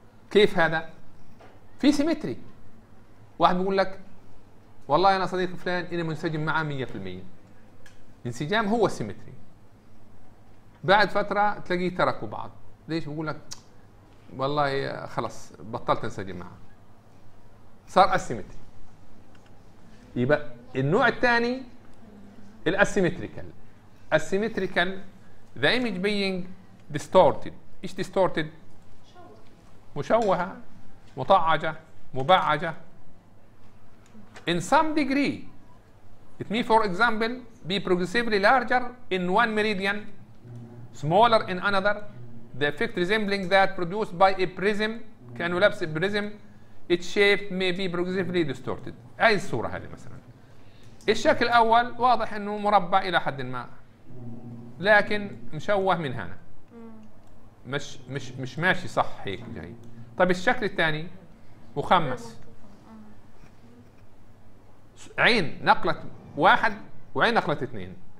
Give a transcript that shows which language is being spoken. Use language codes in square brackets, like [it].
[ar] كيف هذا؟ في سيمتري. واحد بيقول لك والله انا صديق فلان انا منسجم معه 100%، انسجام هو السيمتري. بعد فتره تلاقيه تركوا بعض. ليش؟ بيقول لك والله خلص بطلت انسجم معه، صار اسيمتري. يبقى النوع الثاني الاسيمتريكال. [en] Asymmetrical, the image being distorted. [ar] إيش distorted؟ مشوهة، مطعجة، مبعجة. [en] In some degree, it may, for example, be progressively larger in one meridian, smaller in another. The effect resembling that produced by a prism, can collapse a prism, its shape may be progressively distorted. [ar] أي الصورة هذه مثلاً؟ الشكل الأول واضح إنه مربع إلى حد ما، لكن مشوه من هنا، مش مش مش ماشي صح هيك جاي. طيب الشكل الثاني مخمس، عين نقلت واحد وعين نقلت اثنين.